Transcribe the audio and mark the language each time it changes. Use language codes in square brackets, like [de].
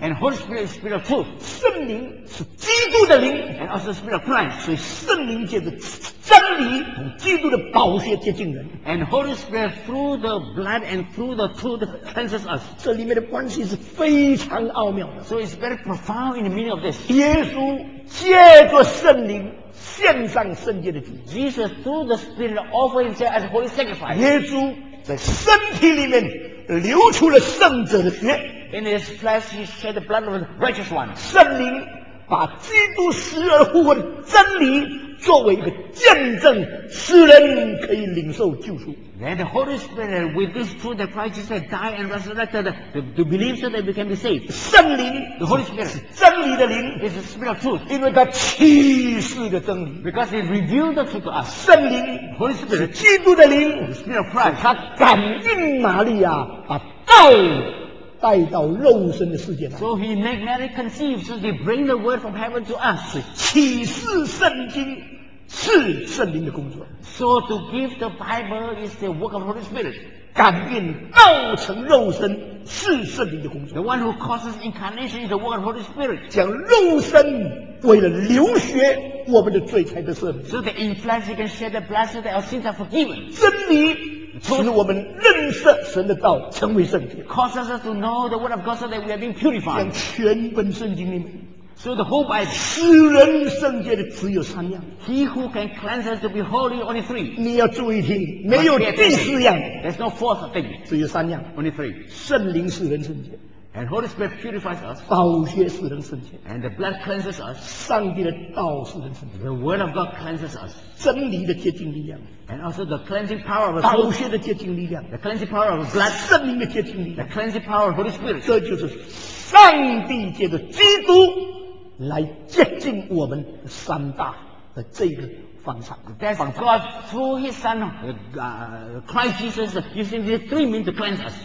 [en] ，and Holy Spirit is spirit of truth。 [zh] 圣灵是基督的灵 [en] ，and also spirit of Christ。 [zh] 所以圣灵借着真理与基督的宝血接近人 [en] ，and Holy Spirit through the blood and through the truth cleanses us。 [zh] 这里面的关系是非常奥妙的 [en] ，so it's very profound in the meaning of this。 [zh] 耶稣借着圣灵献上圣洁的祭 [en] ，Jesus through the Spirit offers himself as holy sacrifice。 [zh] 耶稣在身体里面流出了圣者的血 [en] ，in his flesh he shed the blood of the righteous one。 [zh] 圣灵把基督死而复活的真理。作为一个见证，使人可以领受救赎。 [en] Then the Holy Spirit with this truth that Christ Jesus died and resurrected, to believe so that we can be saved. [zh] 圣灵 [en] ，the Holy Spirit [zh] 是真理的灵 [en] ，is the Spirit of truth. [zh] 因为他启示的真理 [en] ，because he revealed the truth to us. [zh] 圣灵 [en] ，Holy Spirit [zh] 是基督的灵 [en] ，the Spirit of Christ. [zh] 他感应玛利亚，把道带到肉身的世界来。 [en] So he made Mary conceive, so he bring the word from heaven to us. [zh] 是启示圣经。是圣灵的工作。 [en] So to give the Bible is the work of Holy Spirit. [zh] 感应道成肉身是圣灵的工作。 [en] The one who causes incarnation is the work of Holy Spirit. [zh] 将肉身为了流血我们的罪才得赦免。 [en] So the infancy can shed the blood so that our sins are forgiven. [zh] 真理使我们认识神的道成为圣洁。 [en] Causes us to know the word of God so that we are being purified. [zh] 将全本圣经里面 [en] So the whole Bible, [zh] 使人圣洁的只有三样。 [en] He who can cleanse us to be holy only three. [zh] 你要注意听，没有第四样。 [en] There's no fourth thing. [zh] 只有三样。 [en] Only three. [zh] 圣灵使人圣洁。 [en] And Holy Spirit purifies us. [zh] 宝血使人圣洁。 [en] And the blood cleanses us. [zh] 上帝的道使人圣洁。 [en] The Word of God cleanses us. [zh] 真理的洁净力量。 [en] And also the cleansing power of [zh] 宝血的洁净力量。 [en] The cleansing power of blood. [zh] 圣灵的洁净力量。 [en] The cleansing power of Holy Spirit. [zh] 这就是上帝借着基督。来接近我们三大的这个方法 [en] That's God through his son Christ Jesus using these three means to cleanse us